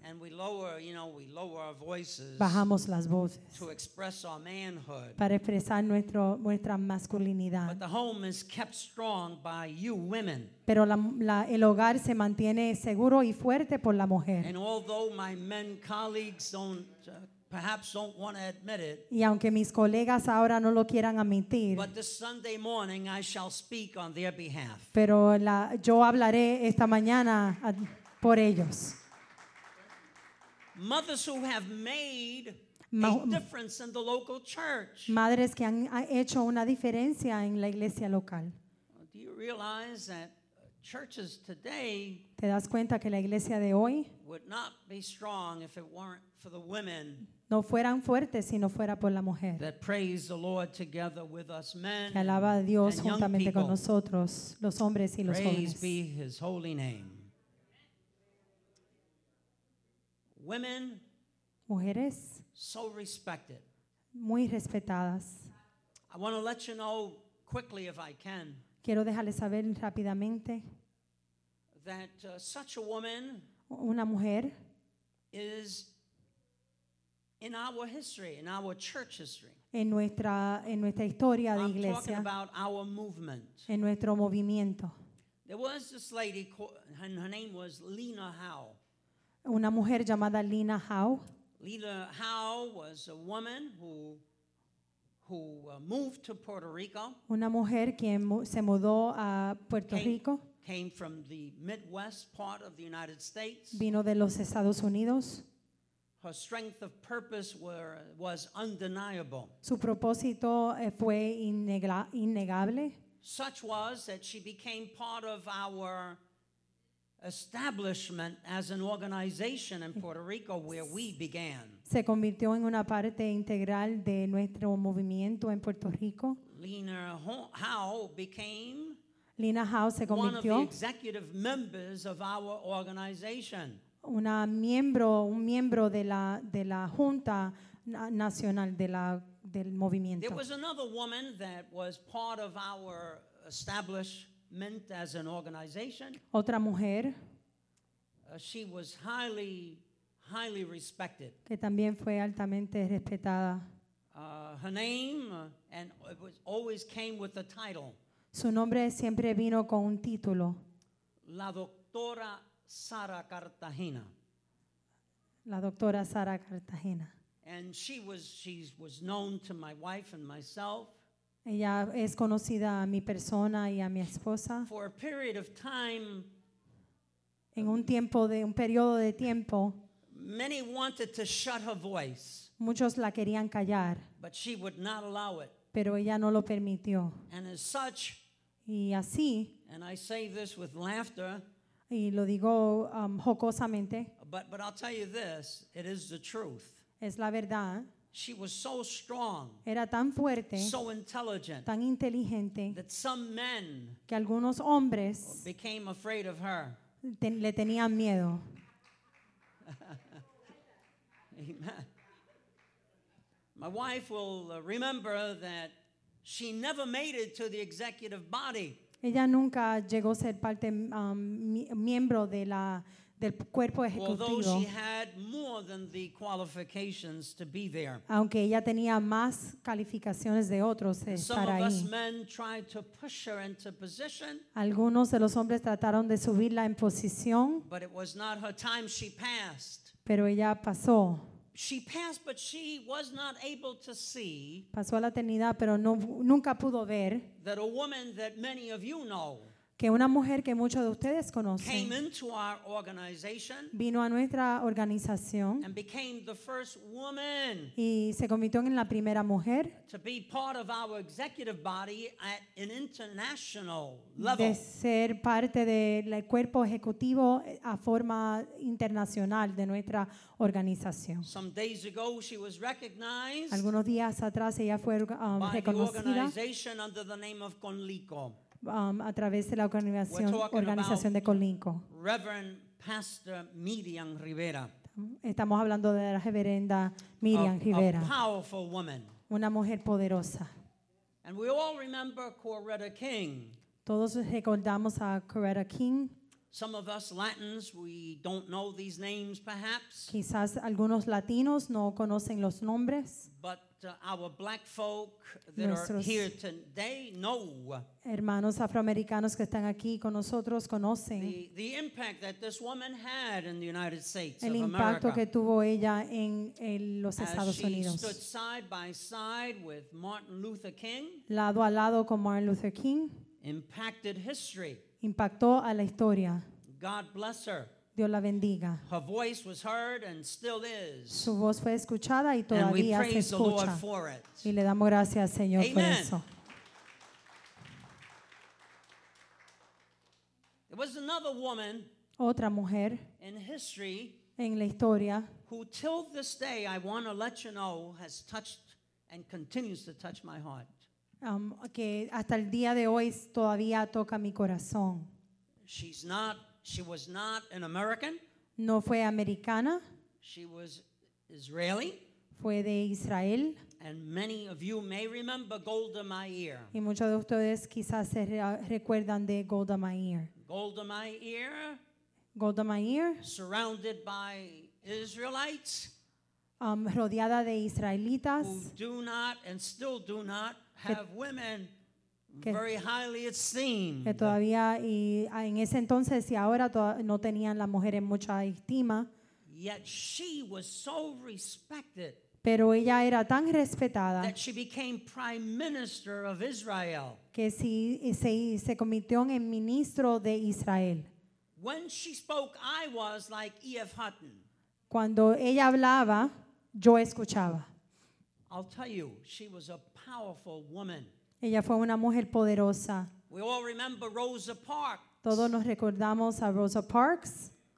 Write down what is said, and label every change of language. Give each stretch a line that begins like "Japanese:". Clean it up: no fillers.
English: And we lower, you know, we lower our voices.
Spanish: Bajamos las voces.
English: To express our manhood.
Spanish: Para expresar nuestra masculinidad.
English: But the home is kept strong by you women.
Spanish: Pero el hogar se mantiene seguro y fuerte por la mujer.
English: And although my men colleagues don't perhaps don't want to admit it.
Spanish: Y aunque mis colegas ahora no lo quieran admitir.
English: But this Sunday morning I shall speak on their behalf.
Spanish: Pero yo hablaré esta mañana por ellos.
English: Mothers who have made a difference in the local church.
Spanish: Madres que han hecho una diferencia en la iglesia local.
English: Do you realize that churches today?
Spanish: ¿Te das cuenta que la iglesia de hoy
English: would not be strong if it weren't for the women?
Spanish: No fueran fuertes si no fuera por la mujer.
English: That praise the Lord together with us men.
Spanish: Que alaba a Dios juntamente con nosotros, los hombres y los jóvenes.
English: Praise be His holy name. Women,
Spanish: mujeres,
English: so respected.
Spanish: Muy respetadas.
English: I want to let you know quickly if I can.
Spanish: Quiero dejarles saber rápidamente.
English: That such a woman,
Spanish: una mujer,
English: is in our history, in our church history.
Spanish: En nuestra historia de iglesia.
English: I'm talking about our movement.
Spanish: En nuestro movimiento.
English: There was this lady, and her name was Lena Howe.
Spanish: Una mujer llamada Lena Howe.
English: Lena Howe was a woman who moved to Puerto Rico.
Spanish: Una mujer quien se mudó a Puerto Rico.
English: Came from the Midwest part of the United States.
Spanish: Vino de los Estados Unidos.
English: Her strength of purpose was undeniable.
Spanish: Su propósito fue innegable.
English: Such was that she became part of our establishment as an organization in Puerto Rico where we began.
Spanish: Se convirtió en una parte integral de nuestro movimiento en Puerto Rico.
English: Lena Howe became
Spanish: Lena Howe se convirtió
English: one of the executive members of our organization.
Spanish: Un miembro de la junta nacional del movimiento.
English: There was another woman that was part of our establishment as an organization.
Spanish: Otra mujer.
English: She was highly respected.
Spanish: Que también fue altamente respetada.
English: Her name and it was always came with a title.
Spanish: Su nombre siempre vino con un título. La doctora Sara Cartagena. La doctora Sara Cartagena.
English: And she was known to my wife and myself.
Spanish: Ella es conocida a mi persona y a mi esposa.
English: For a period of time.
Spanish: En un tiempo de un periodo de tiempo.
English: Many wanted to shut her voice.
Spanish: Muchos la querían callar.
English: But she would not allow it.
Spanish: Pero ella no lo permitió.
English: And as such.
Spanish: Y así.
English: And I say this with laughter.
Spanish: Y lo digo jocosamente.
English: But I'll tell you this, it is the truth.
Spanish: Es la verdad.
English: She was so strong.
Spanish: Era tan fuerte.
English: So intelligent.
Spanish: Tan inteligente.
English: That some men.
Spanish: Que algunos hombres.
English: Became afraid of her.
Spanish: Le tenían miedo.
English: Amen. My wife will remember that she never made it to the executive body.
Spanish: Ella nunca llegó a ser parte miembro de la del cuerpo ejecutivo.
English: Although she had more than the qualifications to be there.
Spanish: Aunque ella tenía más calificaciones de otros de estar ahí.
English: Some of us men tried to push her into position.
Spanish: Algunos de los hombres trataron de subirla en posición.
English: But it was not her time. She passed.
Spanish: Pero ella pasó.
English: She passed, but she was not able to see.
Spanish: Pasó a la eternidad, pero no, nunca pudo ver.
English: That a woman that many of you know.
Spanish: Que una mujer que muchos de ustedes conocen.
English: Came into our organization.
Spanish: Vino a nuestra organización.
English: And became the first woman.
Spanish: Y se convirtió en la primera mujer.
English: To be part of our executive body at an international level.
Spanish: De ser parte del cuerpo ejecutivo a forma internacional de nuestra organización.
English: Some days ago she was recognized.
Spanish: Algunos días atrás ella fue reconocida.
English: By the organization under the name of Conlico.
Spanish: A través de la organización de Conlico.
English: Reverend Pastor Miriam Rivera.
Spanish: Estamos hablando de la reverenda Miriam Rivera.
English: A powerful woman.
Spanish: Una mujer poderosa.
English: And we all remember Coretta King.
Spanish: Todos recordamos a Coretta King.
English: Some of us Latins, we don't know these names, perhaps.
Spanish: Quizás algunos latinos no conocen los nombres.
English: But our black folk that are here today know.
Spanish: Hermanos afroamericanos que están aquí con nosotros conocen.
English: The impact that this woman had in the United States of America.
Spanish: El impacto que tuvo ella en los Estados Unidos.
English: As she stood side by side with Martin Luther King.
Spanish: Lado a lado con Martin Luther King.
English: Impacted history.
Spanish: Impactó a la historia.
English: God bless her.
Spanish: Dios la bendiga.
English: Her voice was heard and still is.
Spanish: Su voz fue escuchada y todavía se escucha.
English: And we praise the Lord for it.
Spanish: Y le damos gracias, Señor, Amen. Por eso.
English: There was another woman.
Spanish: Otra mujer.
English: In history.
Spanish: En la historia.
English: Who till this day, I want to let you know, has touched and continues to touch my heart.
Spanish: Que hasta el día de hoy todavía toca mi corazón.
English: She was not an American.
Spanish: No fue americana.
English: She was Israeli.
Spanish: Fue de Israel.
English: And many of you may remember Golda Meir.
Spanish: Y muchos de ustedes quizás se recuerdan de Golda Meir.
English: Golda Meir.
Spanish: Golda Meir.
English: Surrounded by Israelites.
Spanish: Rodeada de israelitas.
English: Who do not and still do not have women very highly esteemed.
Spanish: Que todavía y en ese entonces y ahora no tenían las mujeres mucha estima.
English: Yet she was so respected.
Spanish: Pero ella era tan respetada.
English: That she became prime minister of Israel.
Spanish: Que sí se convirtió en ministro de Israel.
English: When she spoke, I was like E.F. Hutton.
Spanish: Cuando ella hablaba, yo escuchaba.
English: I'll tell you, she was a powerful woman.
Spanish: Ella fue una mujer poderosa.
English: We all remember Rosa Parks.
Spanish: Todos nos recordamos a Rosa Parks.